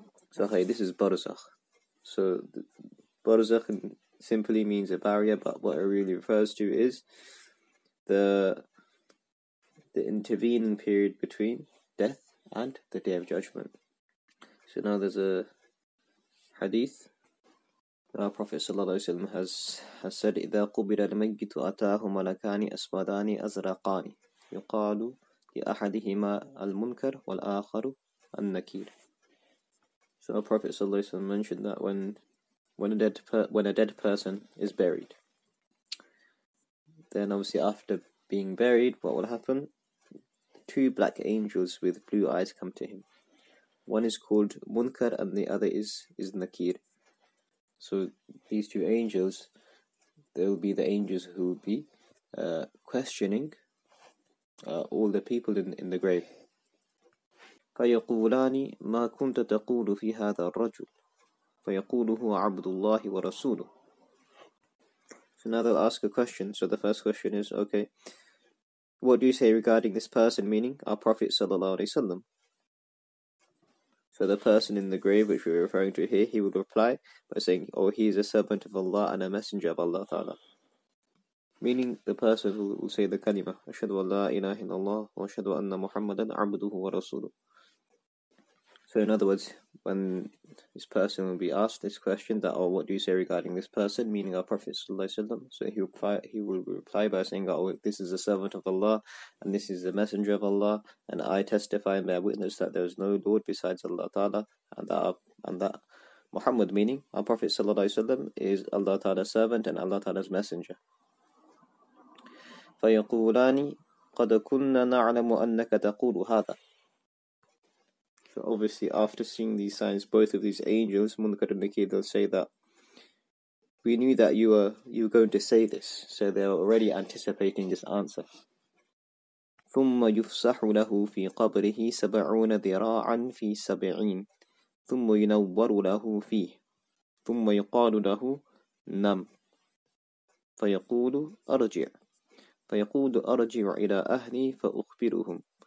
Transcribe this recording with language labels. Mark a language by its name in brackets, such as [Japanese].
[English] So hey, this is barzakh. So barzakh simply means a barrier, but what it really refers to is the intervening period between death and the day of judgment. So now there's a hadith. Our Prophet ﷺ has said, [Arabic] إِذَا قُبِرَ الْمَيِّتُ أَتَاهُ مَلَكَانِ أَسْوَدَانِ أَزْرَقَانِ يُقَالُ لِأَحَدِهِمَا الْمُنْكَرُ وَالْآخَرُ النَّكِيرُ. [English] So our Prophet ﷺ mentioned that when a dead person is buried, then obviously after being buried, what will happen? Two black angels with blue eyes come to him. One is called Munkar and the other is Nakir. So these two angels, they'll be the angels who will be questioning all the people in the grave. [Arabic] فَيَقُولَانِ مَا كُنْتَ تَقُولُ فِي هَذَا الرَّجُلُ فَيَقُولُهُ عَبْدُ اللَّهِ وَرَسُولُهُ. [English] So now they'll ask a question. So the first question is, okay, what do you say regarding this person, meaning our Prophet sallallahu alaihi wasallam? So the person in the grave, which we're referring to here, he would reply by saying, oh, he is a servant of Allah and a messenger of Allah Ta'ala. Meaning the person who will say the kalima, [Arabic] أَشْهَدُ وَاللَّا إِلَهِ اللَّهِ وَأَشْهَدُ وَأَنَّ مُحَمَّدًا عَبْدُهُ وَرَسُولُهُ. [English] So in other words, when this person will be asked this question, that, oh, what do you say regarding this person, meaning our Prophet sallallahu alaihi wasallam, so he will reply by saying, oh, this is a servant of Allah, and this is the messenger of Allah, and I testify and bear witness that there is no Lord besides Allah Ta'ala, and that Muhammad, meaning our Prophet sallallahu alaihi wasallam, is Allah Ta'ala's servant and Allah Ta'ala's messenger. [Arabic] فيقولاني قد كنا نعلم أنك تقول هذا. [English] So obviously after seeing these signs, both of these angels, Munkar and Nakir, they'll say that we knew that you were going to say this. So they're already anticipating this answer. [Arabic] ثُمَّ يُفْسَحُ لَهُ فِي قَبْرِهِ 70 ذِرَاعًا فِي 70 ثُمَّ يُنَوَّرُ لَهُ فِيهِ ثُمَّ يُقَالُ لَهُ نَمْ فَيَقُولُ أَرْجِعُ فَيَقُولُ أَرْجِعُ إِلَىٰ أَهْلِي فَأُخْبِرُهُمْ.